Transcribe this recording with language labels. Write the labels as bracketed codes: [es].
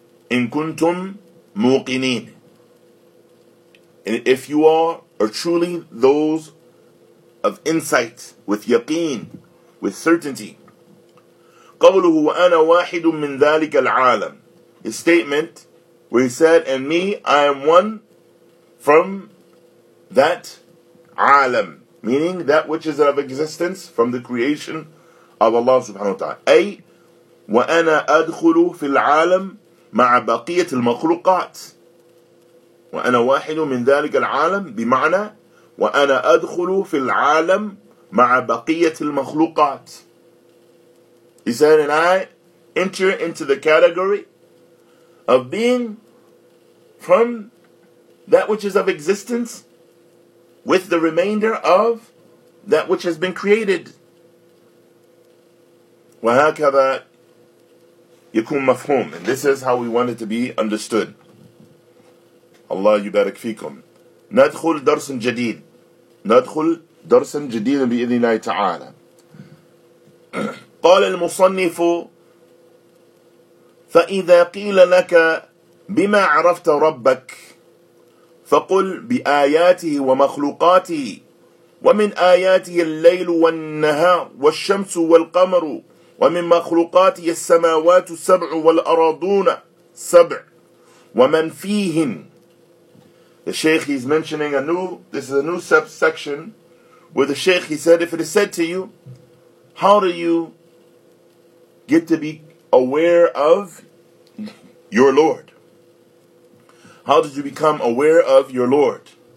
[ar] إن كنتم موقنين, [en] and if you are truly those of insight, with yaqeen, with certainty. [ar] قوله وأنا واحد من ذلك العالم. [en] His statement, where he said, and me, I am one from that عالم, meaning that which is of existence from the creation of Allah subhanahu wa ta'ala. [ar] أي وأنا أدخل في العالم مع بقية المخلوقات. وأنا واحد من ذلك العالم بمعنى وأنا أدخل في العالم مع بقية المخلوقات. [en] He said, and I enter into the category of being from that which is of existence with the remainder of that which has been created. [ar] وهكذا يكون مفهوم. [en] And this is how we want it to be understood. [ar] الله يبارك فيكم. ندخل درس جديد. ندخل درسا جديدا بإذن الله تعالى. قال المصنف فإذا قيل لك بما عرفت ربك فقل بآياته ومخلوقاته ومن آياته الليل والنهار والشمس والقمر ومن مخلوقاته السماوات السبع والأراضون سبع ومن فيهن. [en] The Shaykh, he's mentioning this is a new subsection where the Shaykh, he said, if it is said to you, how do you get to be aware of your Lord? How did you become aware of your Lord?